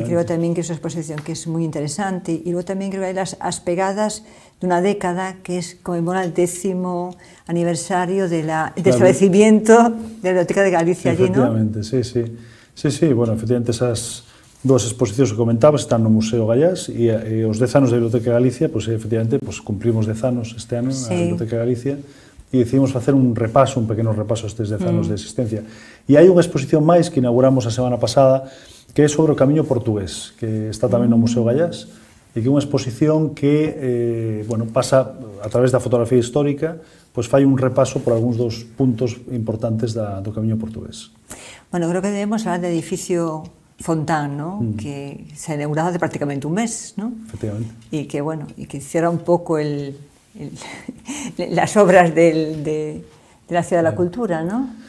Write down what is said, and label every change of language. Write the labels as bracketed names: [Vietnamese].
[Spanish] Y creo también que es una exposición que es muy interesante. Y luego también creo que hay las pegadas de una década, que es conmemora el décimo aniversario del establecimiento de la Biblioteca de Galicia allí, ¿no? Efectivamente, sí, sí. Sí, sí, bueno, efectivamente esas dos exposiciones que comentabas están en el Museo Gallás y los 10 años de Biblioteca de Galicia, pues efectivamente pues cumplimos 10 años este año en la Biblioteca de Galicia. [Galician] E decidimos facer un pequeno repaso a estes 10 anos de existencia. E hai unha exposición máis que inauguramos a semana pasada, que é sobre o Camiño Portugués, que está tamén no Museo Gallás, e que é unha exposición que pasa a través da fotografía histórica, pois fai un repaso por algúns dos puntos importantes do Camiño Portugués. Bueno, creo que debemos falar do edificio Fontán, ¿no? Que se inaugurou de prácticamente un mes, ¿no? Efectivamente. E que, bueno, e que hiciera un pouco el... [Spanish] las obras de la Ciudad de la Cultura, ¿no?